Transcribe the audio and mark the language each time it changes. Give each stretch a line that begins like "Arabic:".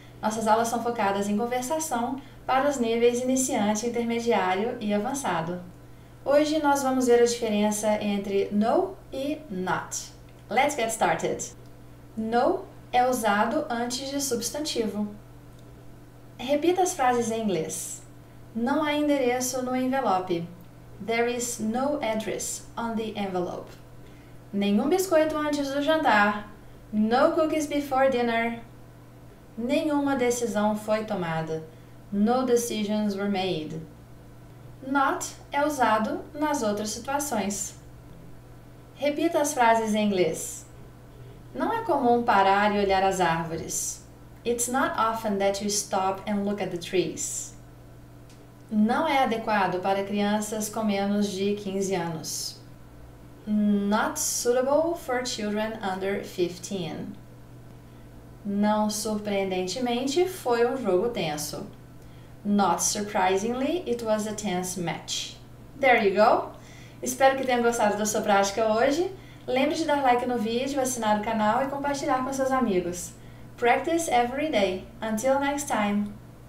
Portuguese: Nossas aulas são focadas em conversação para os níveis iniciante, intermediário e avançado. Hoje nós vamos ver a diferença entre no e not.
English: Let's get started!
Portuguese: No é usado antes de substantivo. Repita as frases em inglês. Não há endereço no envelope.
English: There is no address on the envelope.
Portuguese: Nenhum biscoito antes do jantar.
English: No cookies before dinner.
Portuguese: Nenhuma decisão foi tomada.
English: No decisions were made.
Portuguese: Not é usado nas outras situações. Repita as frases em inglês. Não é comum parar e olhar as árvores.
English: It's not often that you stop and look at the trees.
Portuguese: Não é adequado para crianças com menos de 15 anos.
English: Not suitable for children under 15.
Portuguese: Não surpreendentemente, foi um jogo tenso.
English: Not surprisingly, it was a tense match. There you go!
Portuguese: Espero que tenham gostado da sua prática hoje. Lembre-se de dar like no vídeo, assinar o canal e compartilhar com seus amigos.
English: Practice every day. Until next time!